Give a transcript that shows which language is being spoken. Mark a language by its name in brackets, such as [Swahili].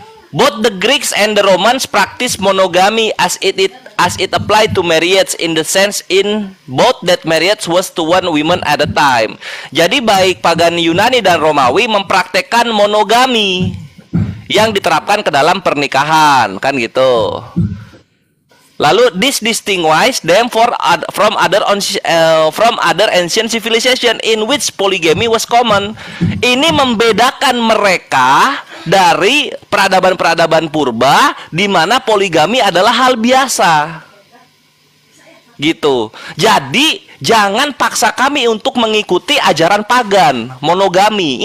[English] Both the Greeks and the Romans practice monogamy as it applied to marriage in the sense in both that marriage was to one woman at a time. [Indonesian] Jadi baik pagan Yunani dan Romawi mempraktekkan monogami yang diterapkan ke dalam pernikahan, kan gitu. Lalu [English] this distinguishes them from other ancient civilization in which polygamy was common. [Indonesian] Ini membedakan mereka dari peradaban-peradaban purba di mana poligami adalah hal biasa. Gitu. Jadi jangan paksa kami untuk mengikuti ajaran pagan monogami.